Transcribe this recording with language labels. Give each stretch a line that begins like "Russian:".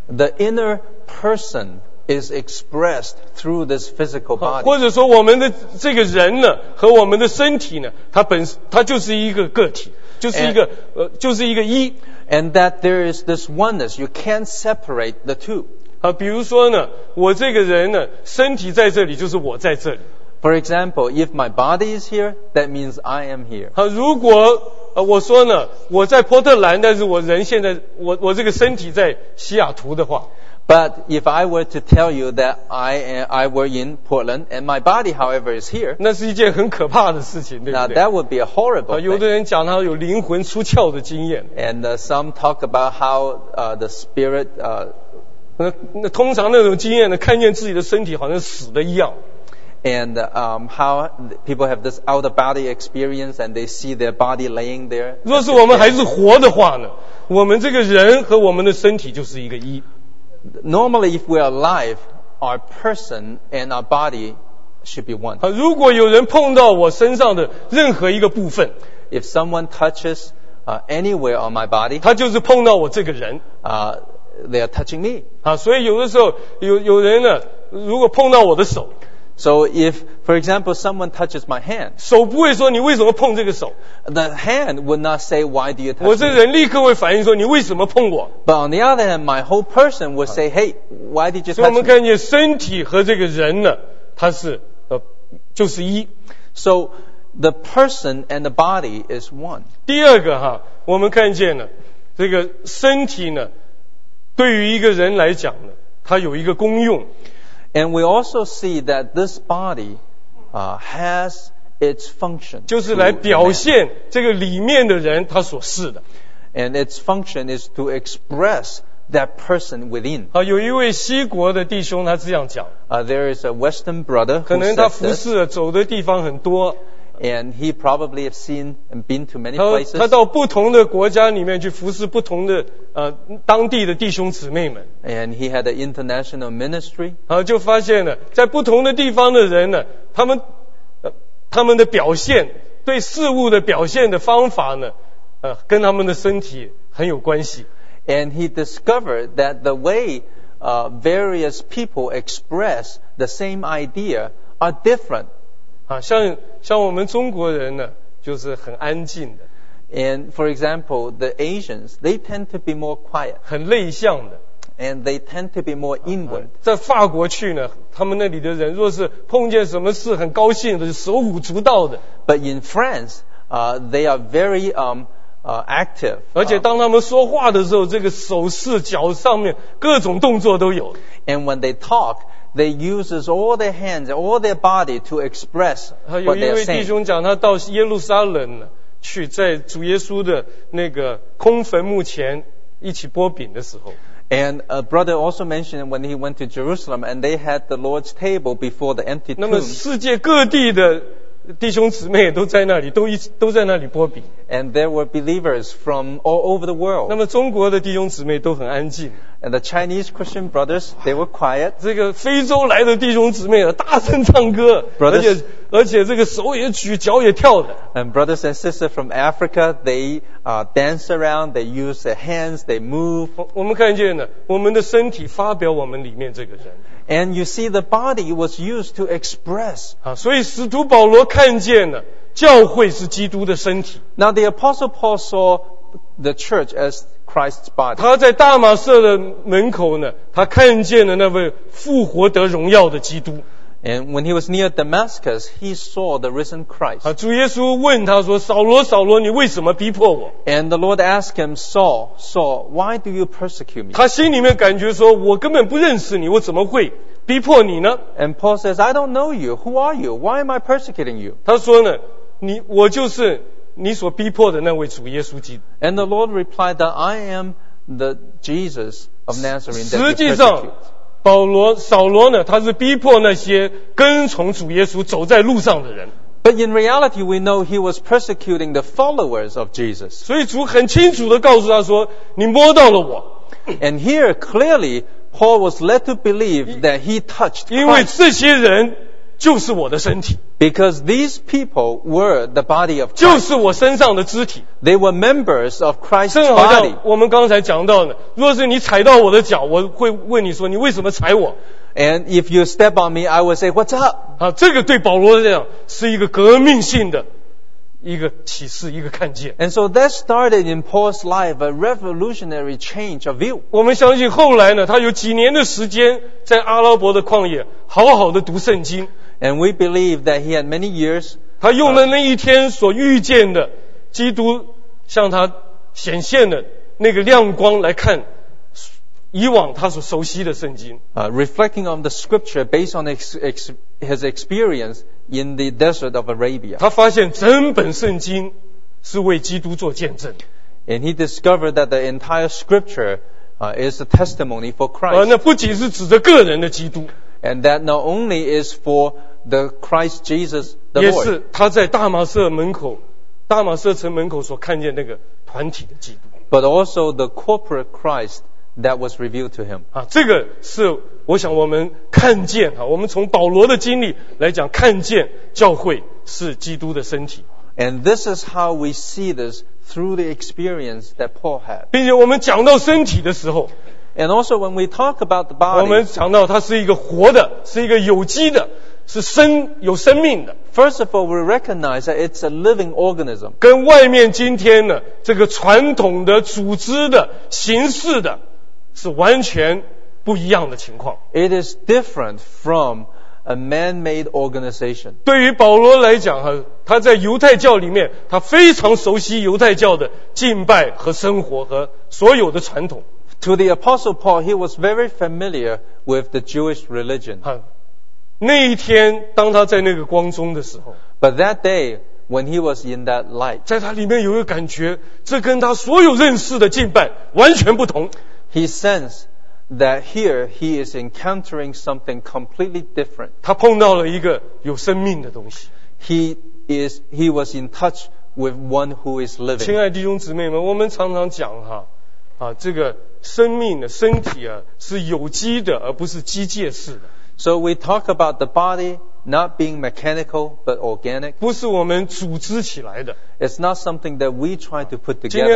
English: The inner person is expressed through this physical body.
Chinese: 或者说我们的这个人呢和我们的身体呢，它就是一个个体，就是一个
English: and,
Chinese: 就是一个一。
English: And that there is this oneness, you can't separate the two.
Chinese: 比如说呢，我这个人呢，身体在这里就是我在这里。
English: For example, if my body is here, that means I am here.
Chinese: 如果我说呢，我在波特兰，但是我人现在我这个身体在西雅图的话。
English: But if I were to tell you that I were in Portland and my body, however, is here,
Chinese: 那是一件很可怕的事情，对不对？
English: Now that would be a horrible thing.
Chinese: 有的人讲他有灵魂出窍的经验。
English: And some talk about how the spirit
Chinese: 那通常那种经验呢，看见自己的身体好像死的一样。
English: And how people have this out of body experience and they see their body laying there.
Chinese: 若是我们还是活的话呢，我们这个人和我们的身体就是一个一。
English: Normally, if we are alive, our person and our body should be one.
Chinese: 如果有人碰到我身上的任何一个部分，
English: if someone touches anywhere on my body,
Chinese: 他就是碰到我这个人。
English: They are touching me.
Chinese: 所以有的时候有人呢，如果碰到我的手，
English: So if, for example, someone touches my hand,
Chinese: 手不会说你为什么碰这个手?
English: The hand would not say, why do you touch me?
Chinese: 我这人立刻会反应说你为什么碰我?
English: But on the other hand, my whole person would say, hey, why did you touch me?
Chinese: 所以我们看见身体和这个人呢,它是,就是一。
English: So the person and the body is one.
Chinese: 第二个哈,我们看见呢,这个身体呢,对于一个人来讲呢,它有一个功用。
English: And we also see that this body, has its function.
Chinese: 就是来表现这个里面的人他所示的。
English: And its function is to express that person within.
Chinese: 好，有一位西国的弟兄他这样讲。
English: There is a Western brother.
Chinese: 可能他服侍走的地方很多。
English: And he probably has seen and been to many places.
Chinese: 他到不同的国家里面去服侍不同的当地的弟兄姊妹们。
English: And he had an international ministry.
Chinese: 就发现了在不同的地方的人呢，他们的表现，对事物的表现的方法呢，跟他们的身体很有关系。
English: And he discovered that the way various people express the same idea are different.
Chinese: 像我们中国人呢，就是很安静的。
English: And for example, the Asians, they tend to be more quiet.
Chinese: 很内向的。
English: And they tend to be more inward.
Chinese: 在法国去呢，他们那里的人若是碰见什么事很高兴的，手舞足蹈的。
English: But in France, they are very active.
Chinese: 而且当他们说话的时候，这个手势、脚上面各种动作都有。
English: And when they talk,They use all their hands, all their body to express what they're saying.
Chinese: 有一位弟兄讲，他到耶路撒冷去，在主耶稣的那个空坟墓前一起擘饼的时候。
English: And a brother also mentioned when he went to Jerusalem and they had the Lord's table before the empty tomb.
Chinese: 那么世界各地的弟兄姊妹都在那里，都在那里擘饼。
English: And there were believers from all over the world.
Chinese: 那么中国的弟兄姊妹都很安静。
English: And the Chinese Christian brothers, they were quiet.
Chinese: 这个非洲来的弟兄姊妹大声唱歌
English: brothers,
Chinese: 而且这个手也举脚也跳的。
English: And brothers and sisters from Africa, they dance around, they use their hands, they move.
Chinese: 我们看见了我们的身体发表我们里面这个人。
English: And you see the body was used to express.
Chinese: 所以使徒保罗看见了教会是基督的身体。
English: Now the Apostle Paul saw the church as Christ's body.
Chinese: 他在大马色的门口呢，他看见了那位复活得荣耀的基督。
English: And when he was near Damascus, he saw the risen Christ.
Chinese: 主耶稣问他说，扫罗，扫罗，你为什么逼迫我？
English: And the Lord asked him, Saul, Saul, why do you persecute me?
Chinese: 他心里面感觉说，我根本不认识你，我怎么会逼迫你呢？
English: And Paul says, I don't know you. Who are you? Why am I persecuting you?
Chinese: 他说呢，我就是你所逼迫的那位主耶稣基督。
English: And the Lord replied that I am the Jesus of Nazareth.
Chinese: 实际上，扫罗呢，他是逼迫那些跟从主耶稣走在路上的人。
English: But in reality, we know he was persecuting the followers of Jesus.
Chinese: 所以主很清楚地告诉他说，你摸到了我。
English: And here, clearly, Paul was led to believe that he touched Christ.
Chinese: 因为这些人就是我的身体。
English: Because these people were the body of Christ.
Chinese: 就是我身上的肢体。
English: They were members of Christ's body. 正
Chinese: 好像我们刚才讲到的，若是你踩到我的脚，我会问你说，你为什么踩我？
English: And if you step on me, I will say, what's up?
Chinese: 这个对保罗来讲，是一个革命性的一个启示，一个看见。
English: And so that started in Paul's life a revolutionary change of view.
Chinese: 我们相信后来呢，他有几年的时间在阿拉伯的旷野好好的读圣经。
English: And we believe that he had many years.
Chinese: 他用了那一天所遇见的基督向他显现的那个亮光来看以往他所熟悉的圣经。
English: Reflecting on the scripture based on his experience in the desert of Arabia.
Chinese: 他发现整本圣经是为基督做见证。
English: And he discovered that the entire scripture is a testimony for Christ.
Chinese: 那不仅是指着个人的基督。
English: And that not only is for the Christ Jesus, the Lord.
Chinese: 也是他在大马色门口，大马色城门口所看见那个团体的基督。
English: But also the corporate Christ that was revealed to him.
Chinese: 这个是我想我们看见，我们从保罗的经历来讲，看见教会是基督的身体。
English: And this is how we see this through the experience that Paul had.
Chinese: 并且我们讲到身体的时候，
English: And also when we talk about the body,
Chinese: 我们讲到它是一个活的，是一个有机的，是生有生命的。
English: First of all, we recognize that it's a living organism.
Chinese: 跟外面今天的这个传统的组织的形式的是完全不一样的情况。
English: It is different from a man-made organization.
Chinese: 对于保罗来讲，他在犹太教里面，他非常熟悉犹太教的敬拜和生活和所有的传统。
English: To the Apostle Paul, he was very familiar with the Jewish religion.
Chinese: 那一天当他在那个光中的时候，
English: But that day when he was in that light,
Chinese: 在他里面有一个感觉，这跟他所有认识的敬拜完全不同。
English: He sensed that here he is encountering something completely different.
Chinese: 他碰到了一个有生命的东西。
English: He was in touch with one who is living.
Chinese: 亲爱弟兄姊妹们，我们常常讲这个生命的身体是有机的，而不是机械式的。
English: So we talk about the body not being mechanical but organic.
Chinese: 不是我们组织起来的。
English: It's not something that we try to put together.